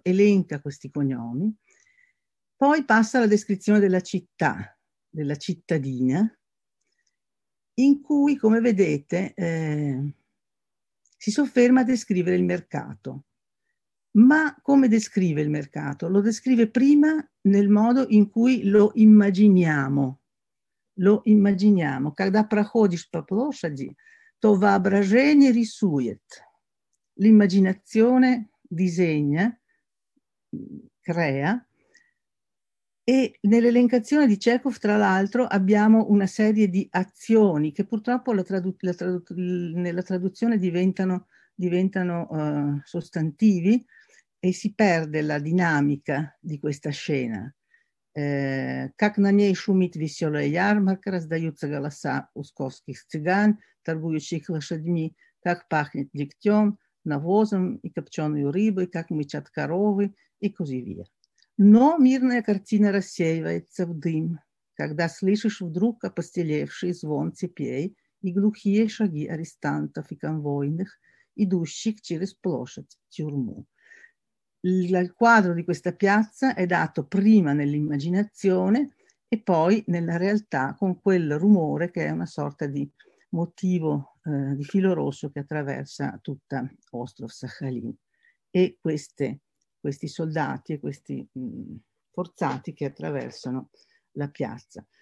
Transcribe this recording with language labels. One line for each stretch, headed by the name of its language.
Italian: Elenca questi cognomi, poi passa alla descrizione della città, della cittadina, in cui, come vedete, si sofferma a descrivere il mercato. Ma come descrive il mercato? Lo descrive prima nel modo in cui lo immaginiamo. Lo immaginiamo.
Russian: Когда проходишь по площади, то воображение рисует.
Italian: L'immaginazione disegna, crea. E nell'elencazione di Chekhov, tra l'altro, abbiamo una serie di azioni che purtroppo nella traduzione diventano sostantivi e si perde la dinamica di questa scena.
Russian: Как на ней шумит веселая ярмарка, раздаются голоса усковских цыган, торгующих лошадьми, как пахнет дегтем, навозом и копченой рыбой, как мычат коровы и
Italian: così via.
Russian: Но мирная картина рассеивается в дым, когда слышишь вдруг опостелевший звон цепей и глухие шаги арестантов и конвойных, идущих через площадь тюрьму.
Italian: Il quadro di questa piazza è dato prima nell'immaginazione e poi nella realtà con quel rumore che è una sorta di motivo di filo rosso che attraversa tutta Ostrov-Sakhalin e questi soldati e questi forzati che attraversano la piazza.